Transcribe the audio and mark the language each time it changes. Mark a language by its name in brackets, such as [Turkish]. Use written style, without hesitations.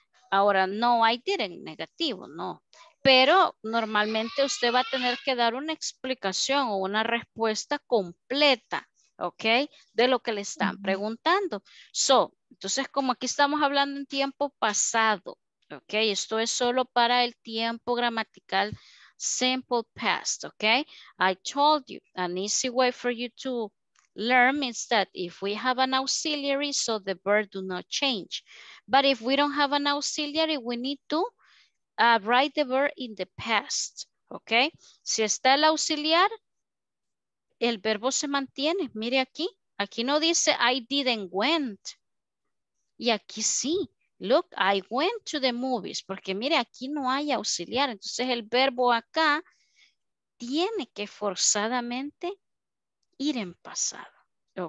[Spanish] Ahora, [English] no, I didn't, [Spanish] negativo, no. Pero normalmente usted va a tener que dar una explicación o una respuesta completa, ¿ok? De lo que le están preguntando. So, entonces, como aquí estamos hablando en tiempo pasado, ¿ok? Esto es solo para el tiempo gramatical simple past, ¿ok? [English] I told you, an easy way for you to learn is that if we have an auxiliary, so the verb do not change. But if we don't have an auxiliary, we need to write the verb in the past, ¿ok? [Spanish] Si está el auxiliar, el verbo se mantiene. Mire aquí, aquí no dice [English] I didn't went. [Spanish] Y aquí sí, [English] look, I went to the movies, [Spanish] porque mire, aquí no hay auxiliar. Entonces el verbo acá tiene que forzadamente ir en pasado, ¿ok?